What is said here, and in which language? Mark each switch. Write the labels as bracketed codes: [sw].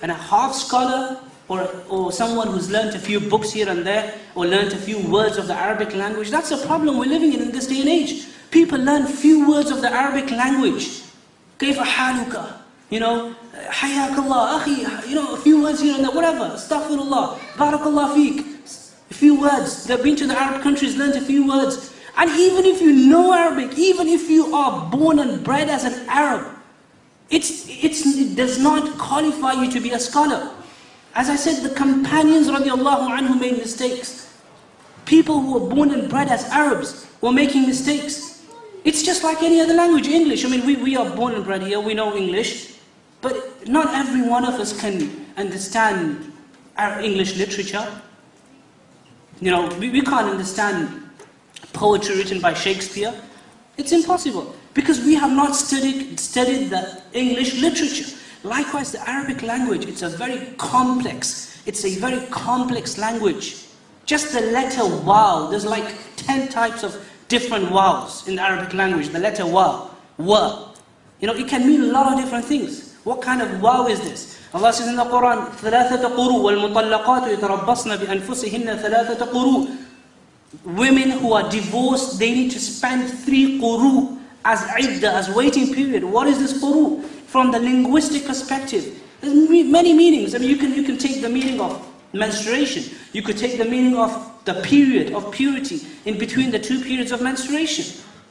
[en] And a half scholar or someone who's learned a few books here and there, or learned a few words of the Arabic language, that's a problem we're living in this day and age. People learn few words of the Arabic language. [ar] كيف حالك? [en] You know, [ar] حياك الله, أخي, [en] you know, a few words here and there, whatever. [ar] Astaghfirullah, بارك الله فيك. [en] A few words. They've been to the Arab countries, learned a few words. And even if you know Arabic, even if you are born and bred as an Arab, it does not qualify you to be a scholar. As I said, the companions radiallahu anhu made mistakes. People who were born and bred as Arabs were making mistakes. It's just like any other language, English. I mean, we are born and bred here, we know English. But not every one of us can understand English literature. You know, we can't understand poetry written by Shakespeare. It's impossible, because we have not studied the English literature. Likewise, the Arabic language, it's a very complex language. Just the letter waw, there's like 10 types of different waws in the Arabic language. The letter waw, wa. You know, it can mean a lot of different things. What kind of waw is this? Allah says in the Quran, [ar] ثَلَاثَةَ قُرُوا وَالْمُطَلَّقَاتُ يَتَرَبَّصْنَ بِأَنفُسِهِنَّ ثَلَاثَةَ قُرُوا. [en] Women who are divorced, they need to spend 3 quru as iddah, as waiting period. What is this quru? From the linguistic perspective, there's many meanings. I mean, you can take the meaning of menstruation. You could take the meaning of the period of purity in between the two periods of menstruation.